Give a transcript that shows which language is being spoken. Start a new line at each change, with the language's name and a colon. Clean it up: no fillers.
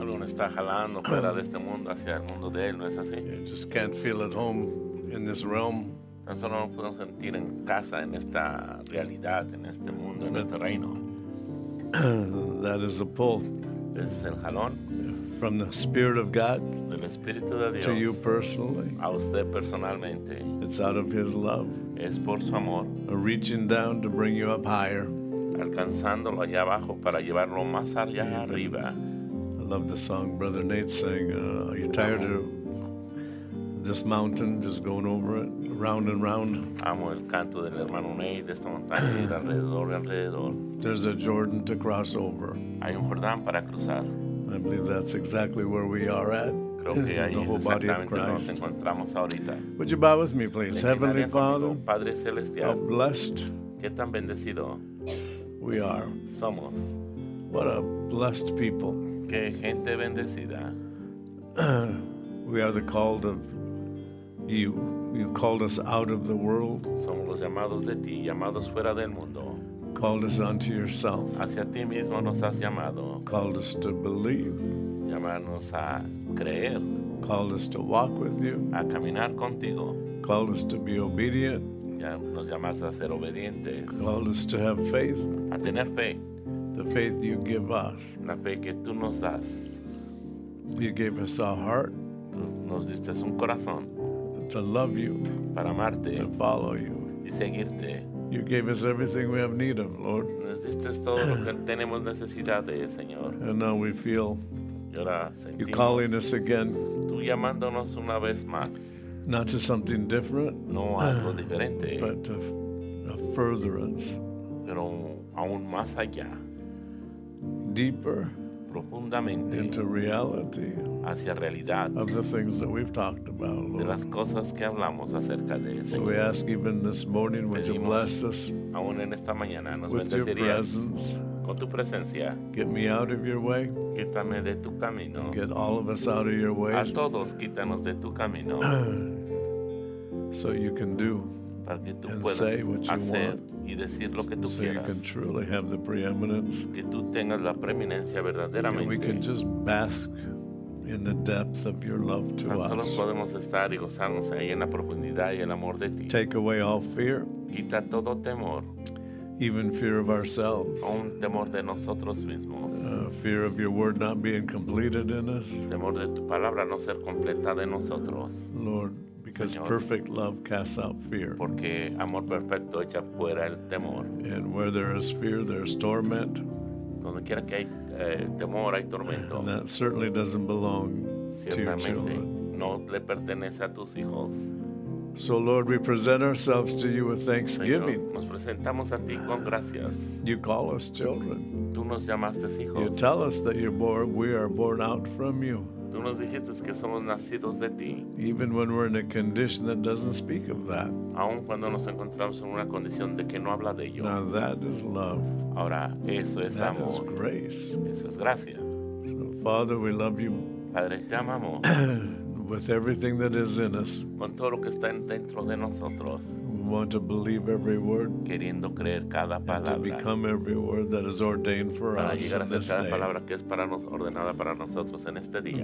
Spanish: Está jalando fuera de este mundo hacia el mundo de él, ¿no es así?
English: You just can't feel at home in this realm.
Spanish: Nosotros no podemos sentir en casa en esta realidad, en este mundo, en este reino.
English: That is a pull.
Spanish: Ese es el jalón.
English: From the Spirit of God.
Spanish: Del Espíritu de Dios.
English: To you personally.
Spanish: A usted personalmente.
English: It's out of His love.
Spanish: Es por su amor.
English: A reaching down to bring you up higher.
Spanish: Alcanzándolo allá abajo para llevarlo más allá arriba.
English: Love the song Brother Nate sang. Are you tired of this mountain just going over it, round and round?
Spanish: Amo el canto del hermano Nate, esta montaña, alrededor, alrededor.
English: There's a Jordan to cross over.
Spanish: Hay un Jordán para cruzar.
English: I believe that's exactly where we are at.
Spanish: Creo que ahí
English: the whole body of Christ.
Spanish: Nos encontramos ahorita.
English: Would you bow with me, please? Heavenly Father,
Spanish: Padre Celestial,
English: how blessed
Spanish: que tan bendecido
English: we are.
Spanish: Somos.
English: What a blessed people.
Spanish: Que gente bendecida.
English: We are the called of you. You called us out of the world.
Spanish: Somos los llamados de ti, llamados fuera del mundo.
English: Called us unto yourself.
Spanish: Hacia ti mismo nos has llamado.
English: Called us to believe.
Spanish: Llamarnos a creer.
English: Called us to walk with you.
Spanish: A caminar contigo.
English: Called us to be obedient.
Spanish: Nos llamas a ser obedientes.
English: Called us to have faith.
Spanish: A tener fe.
English: The faith you give us.
Spanish: La fe que tú nos das.
English: You gave us a heart.
Spanish: Tú nos diste un corazón.
English: To love you.
Spanish: Para amarte.
English: To follow you.
Spanish: Y seguirte.
English: You gave us everything we have need of, Lord.
Spanish: Nos diste todo lo que tenemos necesidad de, Señor.
English: And now we feel
Spanish: ahora
English: you calling us again.
Spanish: Tú llamándonos una vez más.
English: Not to something different.
Spanish: No algo diferente.
English: But to a furtherance.
Spanish: Pero aún más allá.
English: Deeper,
Spanish: profundamente,
English: into reality,
Spanish: hacia realidad,
English: of the things that we've talked about, Lord.
Spanish: De las cosas que hablamos acerca de eso.
English: So we ask even this morning, would you bless us,
Spanish: aún en esta mañana, nos
English: with your presence,
Spanish: con tu presencia,
English: get me out of your way,
Spanish: quítame de tu camino,
English: get all of us out of your way,
Spanish: a todos quítanos de tu camino,
English: so you can do.
Spanish: Para que tú
English: and
Spanish: puedas
English: say what you
Spanish: hacer
English: want,
Spanish: y decir lo que tú
English: so
Spanish: quieras.
English: You can truly have the preeminence.
Spanish: Que tú tengas la preeminencia verdaderamente.
English: And we can just bask in the depth of your love to
Spanish: tan solo
English: us.
Spanish: Podemos estar y gozarnos ahí en la profundidad y el amor de ti.
English: Take away all fear.
Spanish: Quita todo temor.
English: Even fear of ourselves.
Spanish: Aún temor de nosotros mismos.
English: Fear of your word not being completed in us.
Spanish: Temor de tu palabra no ser completada en nosotros.
English: Lord. Because
Spanish: Señor,
English: perfect love casts out fear.
Spanish: Porque amor perfecto echa fuera el temor.
English: And where there is fear, there is torment.
Spanish: Donde quiera que hay, temor, hay tormento.
English: And that certainly doesn't belong
Spanish: ciertamente,
English: to your children.
Spanish: No le pertenece a tus hijos.
English: So, Lord, we present ourselves to you with thanksgiving.
Spanish: Señor, nos presentamos a ti con gracias.
English: You call us children.
Spanish: Tú nos llamaste hijos.
English: You tell us that you're born, we are born out from you.
Spanish: Tú nos dijiste que somos nacidos de ti.
English: Even when we're in a condition that doesn't speak of that.
Spanish: Aun cuando nos encontramos en una condición de que no habla de ello.
English: Now that is love.
Spanish: Ahora, eso es
English: that
Spanish: amor.
English: Is grace.
Spanish: Eso es gracia.
English: So, Father, we love you.
Spanish: Padre, te amamos.
English: With everything that is in us.
Spanish: Con todo lo que está dentro de nosotros.
English: We want to believe every word.
Spanish: Queriendo creer cada palabra.
English: And to become every word that is ordained for
Spanish: para
English: us in this
Spanish: cada
English: day.
Spanish: Palabra que es para nos, ordenada para nosotros en este día.